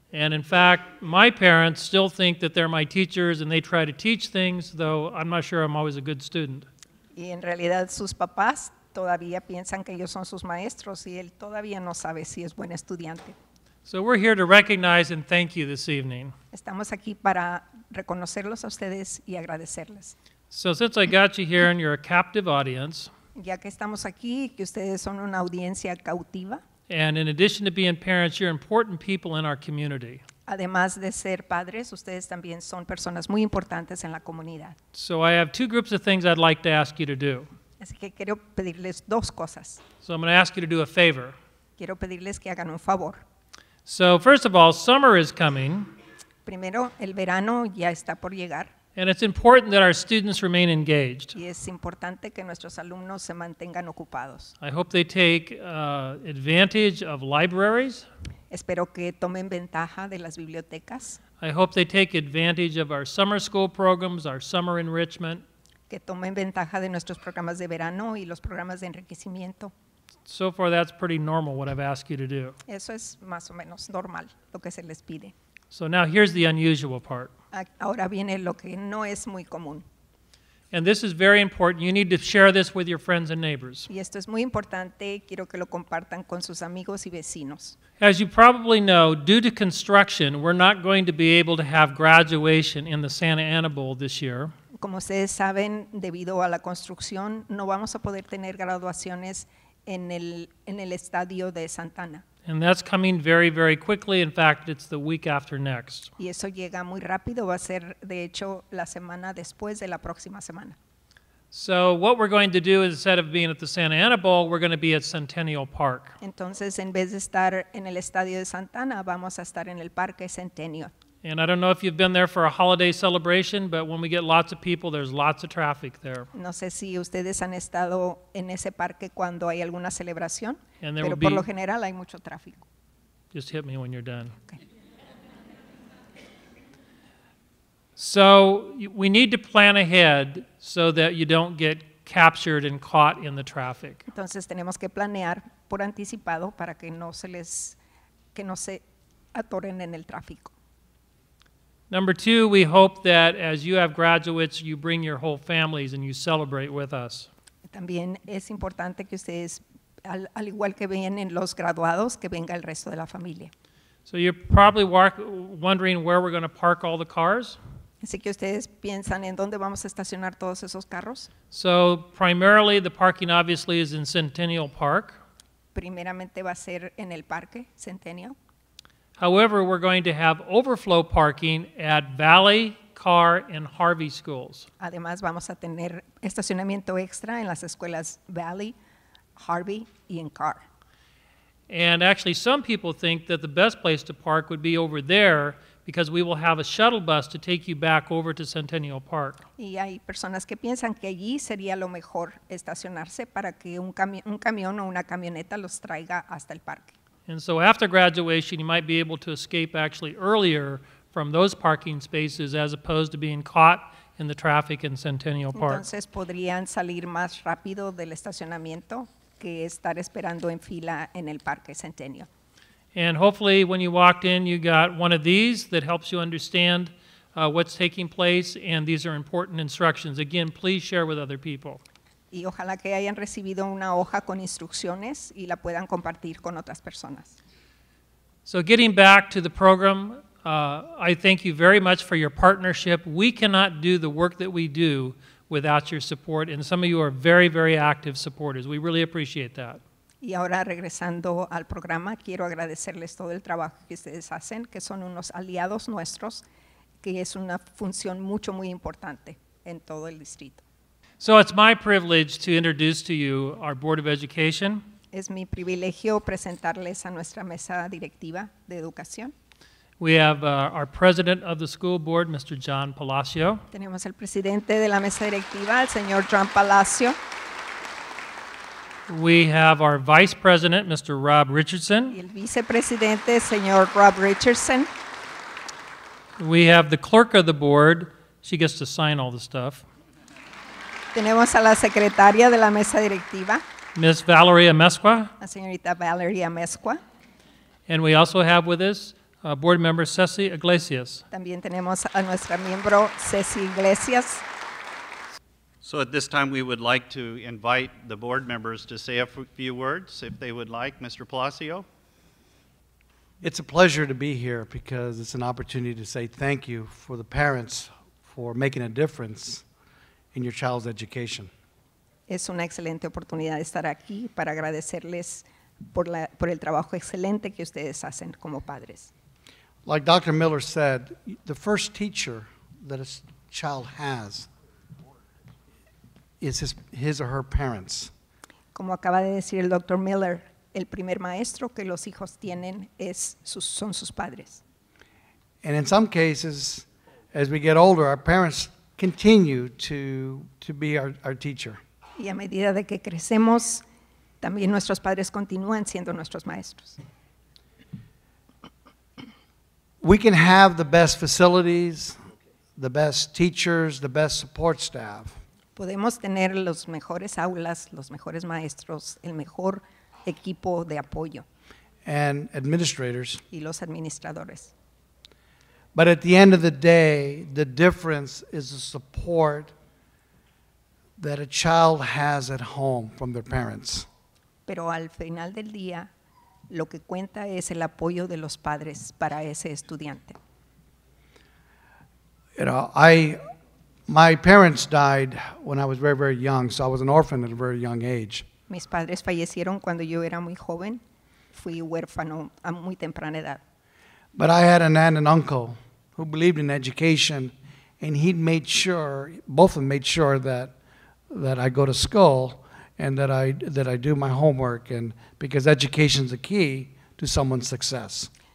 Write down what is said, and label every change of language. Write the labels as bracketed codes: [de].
[en] And in fact, my parents still think that they're my teachers and they try to teach things, though I'm not sure I'm always a good student. [es] Y en realidad sus papás todavía piensan que ellos son sus maestros y él todavía no sabe si es buen estudiante. [en] So we're here to recognize and thank you this evening. [es] Estamos aquí para reconocerlos a ustedes y agradecerles. [en] So since I got you here and you're a captive audience. [es] Ya que estamos aquí y que ustedes son una audiencia cautiva. [en] And in addition to being parents, you're important people in our community. [es] Además de ser padres, ustedes también son personas muy importantes en la comunidad. [en] So I have two groups of things I'd like to ask you to do. [es] Así que quiero pedirles dos cosas. [en] So I'm going to ask you to do a favor. [es] Quiero pedirles que hagan un favor. [en] So first of all, summer is coming. [es] Primero, el verano ya está por llegar. [en] And it's important that our students remain engaged. [es] Y es importante que nuestros alumnos se mantengan ocupados. [en] I hope they take advantage of libraries. [es] Espero que tomen ventaja de las bibliotecas. [en] I hope they take advantage of our summer school programs, our summer enrichment. [es] Que tomen ventaja de nuestros programas de verano y los programas de enriquecimiento. [en] So far, that's pretty normal what I've asked you to do. [es] Eso es más o menos normal lo que se les pide. [en] So now here's the unusual part. [es] Ahora viene lo que no es muy común. [en] And this is very important. You need to share this with your friends and neighbors. [es] Y esto es muy importante. Quiero que lo compartan con sus amigos y vecinos. [en] As you probably know, due to construction, we're not going to be able to have graduation in the Santa Ana Bowl this year. [es] Como ustedes saben, debido a la construcción, no vamos a poder tener graduaciones en el estadio de Santa Ana. [en] And that's coming very, very quickly. In fact, it's the week after next. [es] Y eso llega muy rápido. Va a ser, de hecho, la semana después de la próxima semana. [en] So what we're going to do, instead of being at the Santa Ana Bowl, we're going to be at Centennial Park. [es] Entonces, en vez de estar en el estadio de Santa Ana, vamos a estar en el Parque Centennial. [en] And I don't know if you've been there for a holiday celebration, but when we get lots of people, there's lots of traffic there. [es] No sé si ustedes han estado en ese parque cuando hay alguna celebración, pero por lo general hay mucho tráfico. [en] Just hit me when you're done. Okay. So we need to plan ahead so that you don't get captured and caught in the traffic. [es] Entonces tenemos que planear por anticipado para que no se atoren en el tráfico. [en] Number two, we hope that as you have graduates, you bring your whole families and you celebrate with us. [es] También es importante que ustedes, al igual que vienen los graduados, que venga el resto de la familia. [en] So you're probably wondering where we're going to park all the cars. [es] Así que ustedes piensan en dónde vamos a estacionar todos esos carros. [en] So primarily, the parking obviously is in Centennial Park. [es] Primeramente va a ser en el parque Centennial. [en] However, we're going to have overflow parking at Valley, Carr, and Harvey schools. [es] Además, vamos a tener estacionamiento extra en las escuelas Valley, Harvey, y en Carr. [en] And actually, some people think that the best place to park would be over there because we will have a shuttle bus to take you back over to Centennial Park. [es] Y hay personas que piensan que allí sería lo mejor estacionarse para que un camión o una camioneta los traiga hasta el parque. [en] And so after graduation, you might be able to escape actually earlier from those parking spaces as opposed to being caught in the traffic in Centennial Park. [es] Entonces podrían salir más rápido del estacionamiento que estar esperando en fila en el parque Centennial. [en] And hopefully when you walked in, you got one of these that helps you understand what's taking place, and these are important instructions. Again, please share with other people. [es] Y ojalá que hayan recibido una hoja con instrucciones y la puedan compartir con otras personas. [en] So getting back to the program, I thank you very much for your partnership. We cannot do the work that we do without your support, and some of you are very, very active supporters. We really appreciate that. [es] Y ahora regresando al programa, quiero agradecerles todo el trabajo que ustedes hacen, que son unos aliados nuestros, que es una función mucho muy importante en todo el distrito. [en] So it's my privilege to introduce to you our Board of Education. [es] Es mi privilegio presentarles a nuestra mesa directiva de educación. [en] We have our president of the school board, Mr. John Palacio. [es] Tenemos el presidente de la mesa directiva, el señor John Palacio. [en] We have our vice president, Mr. Rob Richardson. [es] Y el vicepresidente, señor Rob Richardson. [en] We have the clerk of the board. She gets to sign all the stuff. [es] Tenemos a la secretaria de la mesa directiva. [en] Ms. Valerie Amezcua. [es] La señorita Valerie Amezcua. [en] And we also have with us board member Ceci Iglesias. [es] También tenemos a nuestra miembro Ceci Iglesias. [en] So at this time, we would like to invite the board members to say a few words, if they would like. Mr. Palacio. It's a pleasure to be here because it's an opportunity to say thank you for the parents for making a difference in your child's education. [es] Es una excelente oportunidad de estar aquí para agradecerles por el trabajo excelente que ustedes hacen como padres. [en] Like Dr. Miller said, the first teacher that a child has is his or her parents. [es] Como acaba de decir el Dr. Miller, el primer maestro que los hijos tienen es son sus padres. [en] And in some cases, as we get older, our parents continue to be our teacher. [es] Y a medida de que crecemos, también nuestros padres continúan siendo nuestros maestros. [en] We can have the best facilities, the best teachers, the best support staff. [es] Podemos tener los mejores aulas, los mejores maestros, el mejor equipo de apoyo. [en] And administrators. [es] Y los administradores. [en] But at the end of the day, the difference is the support that a child has at home from their parents. [es] Pero al final del día, lo que cuenta es el apoyo de los padres para ese estudiante. [en] You know, my parents died when I was very, very young, so I was an orphan at a very young age. [es] Mis padres fallecieron cuando yo era muy joven. Fui huérfano a muy temprana edad. [en] But I had an aunt and uncle who believed in education, and he'd made sure, both of them made sure that I go to school and that I do my homework, and because education is the key to someone's success.